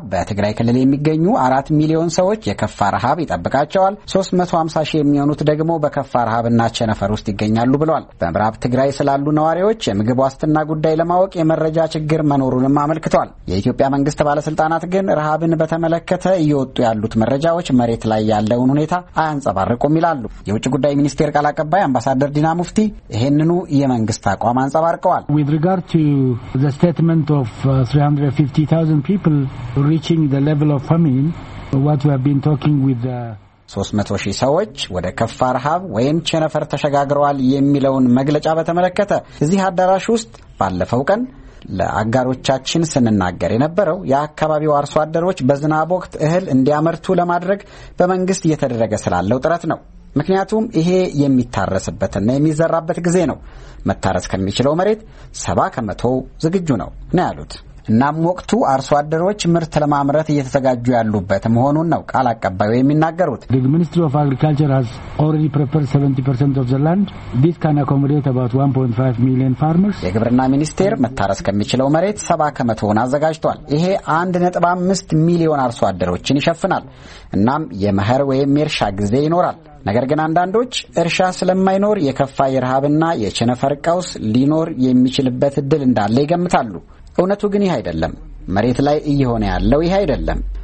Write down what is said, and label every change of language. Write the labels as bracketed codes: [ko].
[am] በትግራይ ክልል የሚገኙ 4 ሚሊዮን ሰዎች የከፋ ረሃብ ይጠብቃቸዋል፣ 350,000 የሚሆኑት ደግሞ በከፋ ረሃብና ቸነፈር ውስጥ ይገኛሉ ብለዋል። በምዕራብ ትግራይ ስላሉ ነዋሪዎች የምግብ ዋስትና ጉዳይ ለማወቅ የመረጃ ችግር መኖሩንም አመልክቷል። የኢትዮጵያ መንግስት ባለስልጣናት ግን ረሃብን በተመለከተ እየወጡ ያሉት መረጃዎች መሬት ላይ ያለውን ሁኔታ አያንጸባርቁም ይላሉ። የውጭ ጉዳይ ሚኒስቴር ቃል አቀባይ አምባሳደር ዲና ሙፍቲ ይህንኑ የመንግስት አቋም አንጸባርቀዋል። [en] With regard to the statement of 350,000 people reaching the level of famine, what we have been talking with the [am] 300,000 ሰዎች ወደ ከፋ ረሃብ ወይም ቸነፈር ተሸጋግረዋል የሚለውን መግለጫ በተመለከተ እዚህ አዳራሽ ውስጥ ባለፈው ቀን ለአጋሮቻችን ስንናገር የነበረው የአካባቢው አርሶ አደሮች በዝናብ ወቅት እህል እንዲያመርቱ ለማድረግ በመንግስት እየተደረገ ስላለው ጥረት ነው። ምክንያቱም ይሄ የሚታረስበትና የሚዘራበት ጊዜ ነው። መታረስ ከሚችለው መሬት 70% ዝግጁ ነው ነው ያሉት። እናም ወቅቱ አርሶ አደሮች ምርት ለማምረት እየተዘጋጁ ያሉበት መሆኑን ነው ቃል አቀባዩ የሚናገሩት። [en] The Ministry of Agriculture has already prepared 70% of the land. This can accommodate about 1.5 million farmers. [am] የግብርና ሚኒስቴር መታረስ ከሚችለው መሬት 70% አዘጋጅቷል። ይሄ 1.5 ሚሊዮን አርሶ አደሮችን ይሸፍናል። እናም የመኸር ወይም የእርሻ ጊዜ ይኖራል። ነገር ግን አንዳንዶች እርሻ ስለማይኖር የከፋ የረሃብና የቸነፈር ቀውስ ሊኖር የሚችልበት እድል እንዳለ ይገምታሉ። እውነቱ ግን ይህ አይደለም። መሬት ላይ እየሆነ ያለው ይህ አይደለም።